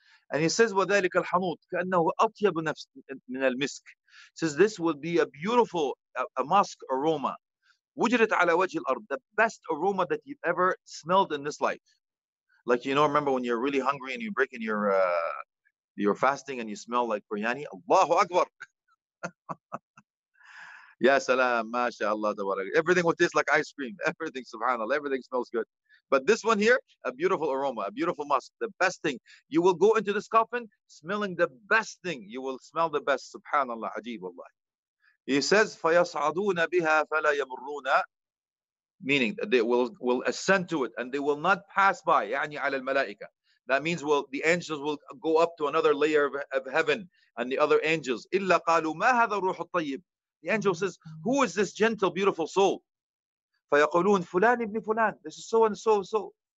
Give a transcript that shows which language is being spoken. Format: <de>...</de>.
<en>And he says,</en> <ar>وَذَلِكَ الْحَنُوتِ كَأَنَّهُ أَطْيَبُ نَفْسٍ مِنَ الْمِسْكِ.</ar> <en>He says, this will be a beautiful musk aroma.</en> <ar>وُجِرَتْ عَلَى وَجْهِ الْأَرْضِ.</ar> <en>The best aroma that you've ever smelled in this life. Like, you know, remember when you're really hungry and you're breaking your fasting and you smell like biryani? Allahu Akbar! Ya salam, mashallah, tabarak. Everything will taste like ice cream. Everything, subhanAllah, everything smells good. But this one here, a beautiful aroma, a beautiful musk, the best thing. You will go into this coffin smelling the best thing. You will smell the best, subhanAllah, ajeeb Allah. He says,</en> <ar>فَيَصْعَدُونَ بِهَا فَلَا يَمُرُّونَ.</ar> <en>Meaning that they will ascend to it and they will not pass by.</en> <ar>يعني على الملائكة.</ar> <en>That means the angels will go up to another layer of heaven and the other angels.</en> <ar>إِلَّا قَالُوا مَا هَذَا الرُّوحُ الطَّيِّبُ.</ar> <en>The angel says, who is this gentle, beautiful soul?</en> <ar>فَيَقُلُونَ فُلَان ابْنِ فُلَان.</ar> <en>This is so and so and so.</en>